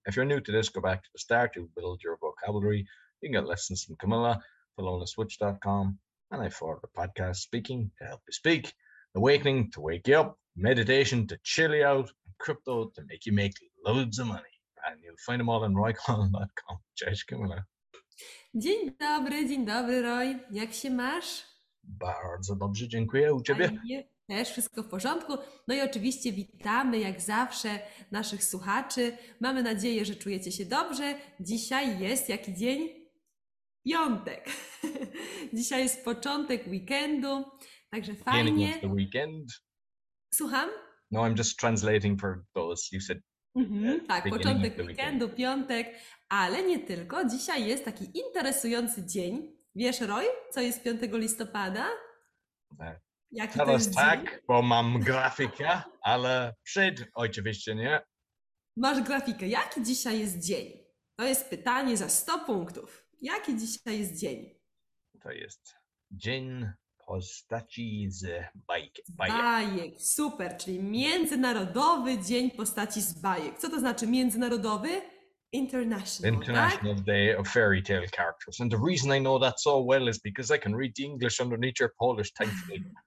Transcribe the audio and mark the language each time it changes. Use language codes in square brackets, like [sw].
[en] If you're new to this, go back to the start. You'll build your vocabulary. You can get lessons from Camilla. PolonaSwitch.com, and I follow the podcast Speaking to Help You Speak, Awakening to Wake You Up, Meditation to Chill You Out, and Crypto to Make You Make Loads of Money. And you'll find them all on RoyColin.com. [pl] Cześć, Kamila. Dzień dobry, Roy. Jak się masz? Bardzo dobrze, dziękuję. U ciebie? Fajnie. Też wszystko w porządku. No i oczywiście witamy, jak zawsze, naszych słuchaczy. Mamy nadzieję, że czujecie się dobrze. Dzisiaj jest jaki dzień? Piątek. Dzisiaj jest początek weekendu, także fajnie. [en] The weekend. [pl] Słucham? [en] No, I'm just translating for those you said. [pl] Tak, początek weekendu, piątek, ale nie tylko. Dzisiaj jest taki interesujący dzień. Wiesz, Roy, co jest 5 listopada? Jaki teraz to jest tak, dzień? Bo mam grafikę, ale przed oczywiście nie. Masz grafikę. Jaki dzisiaj jest dzień? To jest pytanie za 100 punktów. Jaki dzisiaj jest dzień? To jest dzień postaci z bajek. Super, czyli Międzynarodowy Dzień Postaci z Bajek. Co to znaczy międzynarodowy? [en] International, Day of Fairy Tale Characters. And the reason I know that so well is because I can read the English underneath your Polish title.